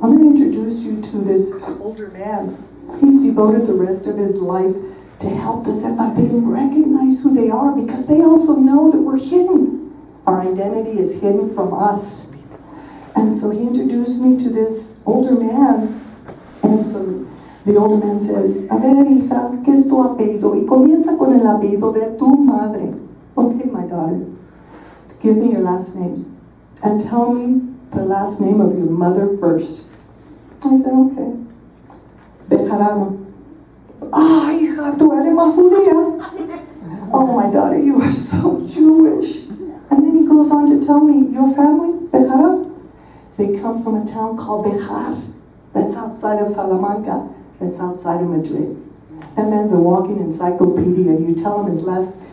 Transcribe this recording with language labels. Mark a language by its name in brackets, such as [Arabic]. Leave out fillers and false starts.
[English] I'm going to introduce you to this older man. He's devoted the rest of his life to help the Sephardim recognize who they are, because they also know that we're hidden. Our identity is hidden from us. And so he introduced me to this older man. And so the older man says, [Spanish] A ver, hija, ¿qué es tu apellido? Y comienza con el apellido de tu madre. [English] Okay, my daughter, give me your last names. And tell me the last name of your mother first. I said, okay. Bejarama. [Spanish] Ah, hija, tu eres más judía. [English] Oh, my daughter, you are so Jewish. And then he goes on to tell me, your family, Bejara, they come from a town called Bejar, that's outside of Salamanca, that's outside of Madrid. That man's a walking encyclopedia. You tell him his last,